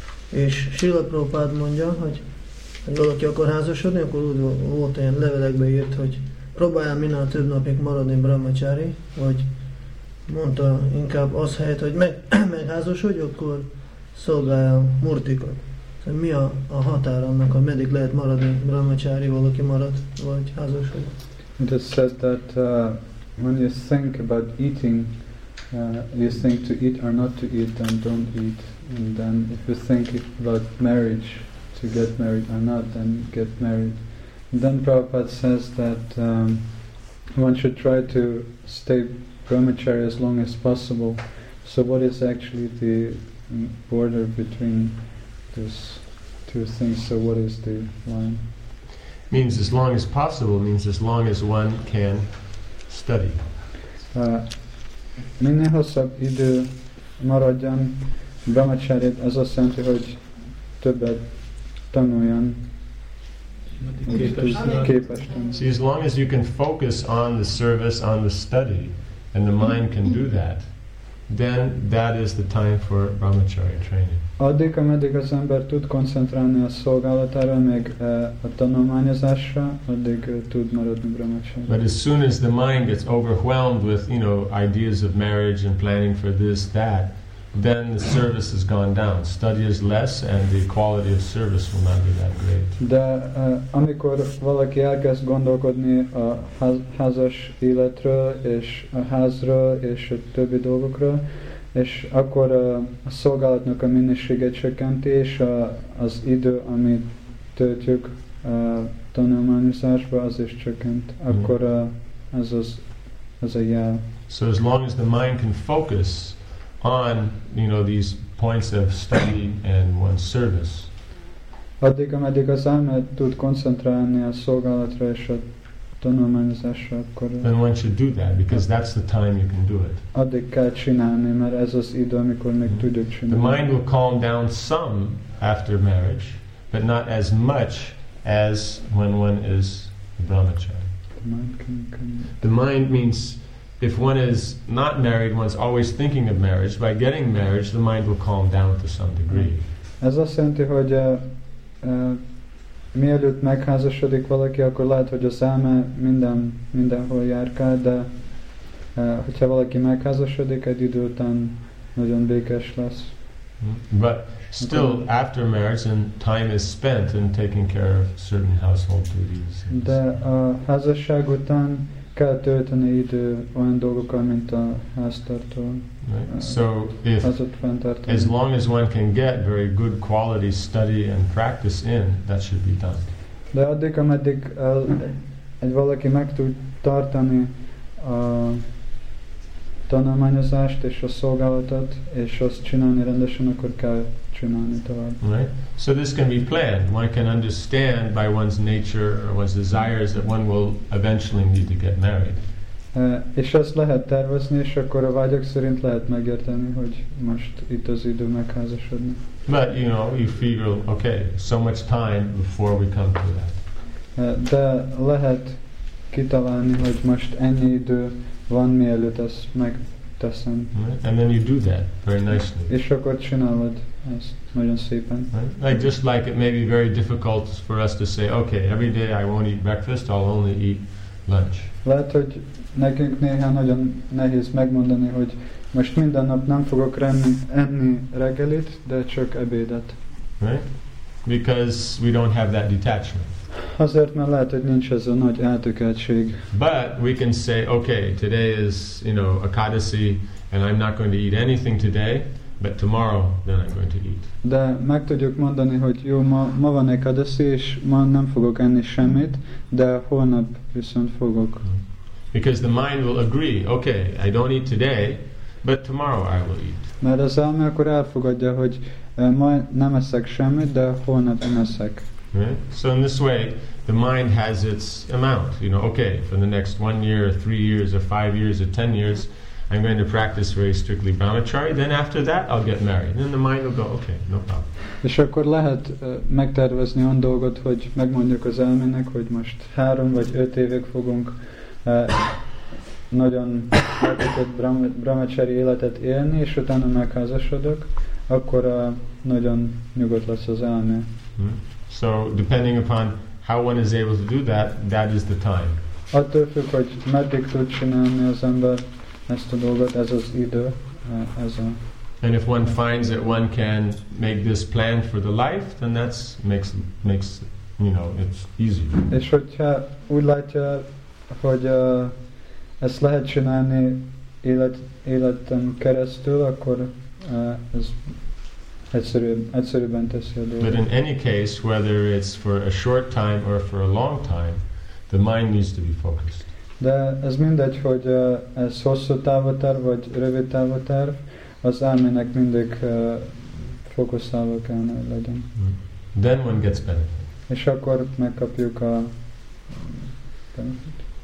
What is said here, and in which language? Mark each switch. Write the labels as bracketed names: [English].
[Hungarian] És Srila Prabhupád mondja, hogy ha valaki akar házasodni, akkor úgy volt ilyen levelekbe írt, hogy próbáljál minél több napig maradni brahmacsári, vagy mondta inkább az helyett, hogy megházasodj, akkor szolgáljál murtikat. Szóval mi a határ annak, hogy meddig lehet maradni brahmacsári, valaki marad, vagy házasodj? [English] It is said that when you think about eating, you think to eat or not to eat, then don't eat. And then if you think about marriage, to get married or not, then get married. And then Prabhupada says that one should try to stay brahmachari as long as possible. So what is actually the border between these two things? So what is the line? Means as long as possible, means as long as one can study. [Hungarian] Minél hosszabb idő maradjon brahmacharit, az azt jelenti, hogy többet tanuljon. Képes tanulni. [English] See, as long as you can focus on the service, on the study, and the mind can do that, then that is the time for brahmacharya training. [Hungarian] Addig, ameddig az ember tud koncentrálni a szolgálatára, meg a tanulmányozásra, addig tud maradni brahmacharya. [English] But as soon as the mind gets overwhelmed with, you know, ideas of marriage and planning for this, that, then the service has gone down. Study is less and the quality of service will not be that great. [Hungarian] De amikor valaki elkezd gondolkodni a házas életről és a házról és a többi dolgokról, és akkor a szolgálatnak a minősége csökkenti, és az idő, amit töltjük a tanulmányozásba, az is csökkent. Akkor ez a jel. [English] So as long as the mind can focus on, you know, these points of study and one's service. [Hungarian] Addig, ameddig az ember tud koncentrálni a szolgálatra és a tanulmányozásra, akkor... [English] Then one should do that, because that's the time you can do it. [Hungarian] Addig kell csinálni, mert ez az idő, amikor még tudjuk csinálni. [English] The mind will calm down some after marriage, but not as much as when one is a brahmachari. The mind means... If one is not married, one's always thinking of marriage. By getting married, the mind will calm down to some degree. [Hungarian] Ez azt jelenti, hogy mielőtt megházasodik valaki, akkor lehet, hogy az elme mindenhol járkál, de hogyha valaki megházasodik, egy idő után nagyon békés lesz. [English] But still, okay. After marriage, and time is spent in taking care of certain household duties. [Hungarian] De a házasság után kell tölteni idő olyan dolgokkal, mint a háztartó. [English] Right. So, as long as one can get very good quality study and practice in, that should be done. [Hungarian] De addig, ameddig egy valaki meg tud tartani a tanulmányozást és a szolgálatot, és azt csinálni rendesen, akkor kell csinálni tovább. [English] Right. So this can be planned. One can understand by one's nature or one's desires that one will eventually need to get married. [Hungarian] És azt lehet tervezni, és akkor a vágyak szerint lehet megérteni, hogy most itt az idő megházasodni. [English] But you know, you figure, okay, so much time before we come to that. [Hungarian] De lehet kitalálni, hogy most ennyi idő van, mielőtt ezt megteszem. [English] Right? And then you do that very nicely. [Hungarian] És akkor csinálod ezt nagyon szépen. [English] Right? Like just like it may be very difficult for us to say, okay, every day I won't eat breakfast, I'll only eat lunch. [Hungarian] Lehet, hogy nekünk néha nagyon nehéz megmondani, hogy most minden nap nem fogok enni reggelit, de csak ebédet. [English] Right? Because we don't have that detachment. [Hungarian] Azért, mert lehet, hogy nincs ez a nagy eltökeltség. [English] But we can say, okay, today is, you know, Akadasi, and I'm not going to eat anything today, but tomorrow, then I'm going to eat. [Hungarian] De meg tudjuk mondani, hogy jó, ma van Akadasi, és ma nem fogok enni semmit, de holnap viszont fogok. [English] Because the mind will agree, okay, I don't eat today, but tomorrow I will eat. [Hungarian] Mert az elme akkor elfogadja, hogy ma nem eszek semmit, de holnap eszek. [English] Right? So in this way, the mind has its amount. You know, okay, for the next 1 year, or 3 years, or 5 years, or 10 years, I'm going to practice very strictly brahmacharya. Then after that, I'll get married. Then the mind will go, okay, no problem. [Hungarian] És akkor lehet megtervezni olyan dolgot, hogy megmondjuk az elmének, hogy most 3 vagy 5 évig fogunk nagyon hatékony brahmacharya életet élni, és utána megházasodok, akkor nagyon nyugodt lesz az elme. Mm-hmm. [English] So depending upon how one is able to do that, that is the time. [Hungarian] Attól függ, hogy meddig tud csinálni az ember ezt a dolgot, ez az idő, ez a. [English] And if one finds that one can make this plan for the life, then that's makes you know, it's easier. [Hungarian] És hogyha úgy látja, hogy ezt lehet csinálni életen keresztül, akkor ez egyszerűbben teszi a dolgot. [English] But in any case, whether it's for a short time or for a long time, the mind needs to be focused. [Hungarian] De ez mindegy, hogy ez hosszú távú terv vagy rövid távú terv, az elmének mindig fókuszálva kellene legyen. [English] Then one gets benefit. [Hungarian] És akkor megkapjuk a benefit.